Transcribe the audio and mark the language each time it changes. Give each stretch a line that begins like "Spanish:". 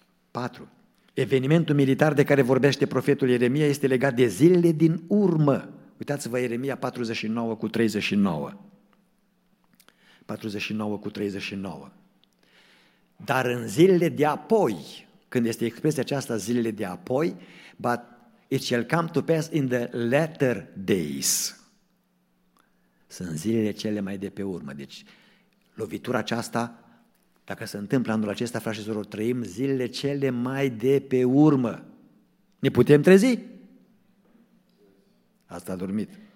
Romanian: 4. Evenimentul militar de care vorbește profetul Ieremia este legat de zilele din urmă. Uitați-vă Ieremia 49:39. Dar în zilele de apoi, când este expresia aceasta zilele de apoi,
English: It shall come to pass in the latter days.
Romanian: Sunt zilele cele mai de pe urmă. Deci, lovitura aceasta, dacă se întâmplă anul acesta, frate și soror, trăim zilele cele mai de pe urmă. Ne putem trezi? Asta a dormit.